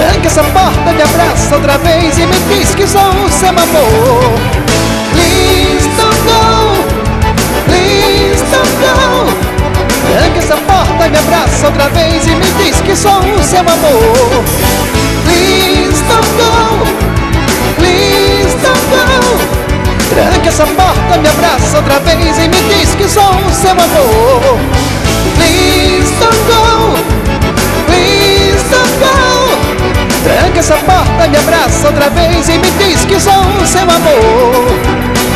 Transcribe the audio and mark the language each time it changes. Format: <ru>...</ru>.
<pt>Essa porta me abraça outra vez e me diz que sou o seu amor.</pt> <en>Please don't go, please don't go.</en> <pt>Tranque essa porta me abraça outra vez e me diz que sou o seu amor.</pt> <en>Please don't go, please don't go.</en> <pt>Tranque essa porta me abraça outra vez e me diz que sou o seu amor.</pt> <en>Please don't go, please don't go.</en> <pt>Tranca essa porta, me abraça outra vez e me diz que sou o seu amor.</pt>